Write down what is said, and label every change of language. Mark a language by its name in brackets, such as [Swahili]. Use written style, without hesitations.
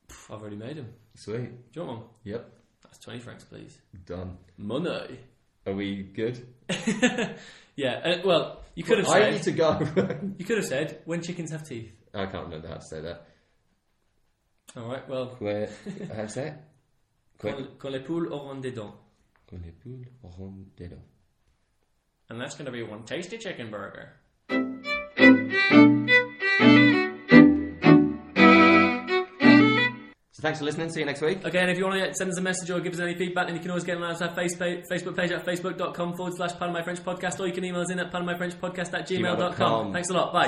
[English] I've already made them. Sweet. Do you want one? Yep. That's 20 francs, please. Done. Money. Are we good? Yeah, well, you could have said... I need to go. You could have said, when chickens have teeth. I can't remember how to say that. All right, well... How to say it? [French] Quand les poules auront des dents. Quand les poules auront des dents. [English] And that's going to be one tasty chicken burger. Thanks for listening. See you next week. Okay, and if you want to send us a message or give us any feedback, then you can always get on our Facebook page at facebook.com/pardonmyfrenchpodcast, or you can email us in at pardonmyfrenchpodcast@gmail.com. Thanks a lot. Bye.